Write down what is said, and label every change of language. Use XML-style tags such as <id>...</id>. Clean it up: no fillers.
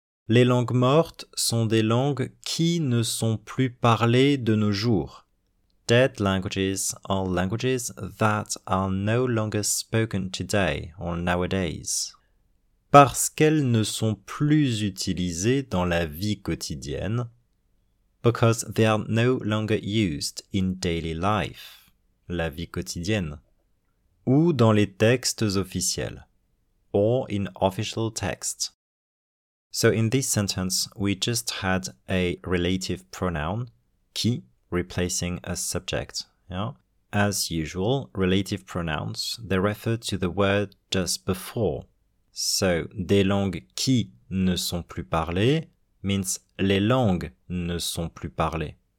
<fr>Les langues mortes sont des langues qui ne sont plus parlées de nos jours.</fr> <en>Dead languages are languages that are no longer spoken today or nowadays.</en> <fr>Parce qu'elles ne sont plus utilisées dans la vie quotidienne.</fr> <en>Because they are no longer used in daily life.</en> <fr>La vie quotidienne. Ou dans les textes officiels.</fr> <en>Or in official texts. So in this sentence, we just had a relative pronoun, qui, replacing a subject. Yeah? As usual, relative pronouns, they refer to the word just before. So,</en> <fr>des langues qui ne sont plus parlées</fr> <en>means</en> <fr>les langues ne sont plus parlées.</fr>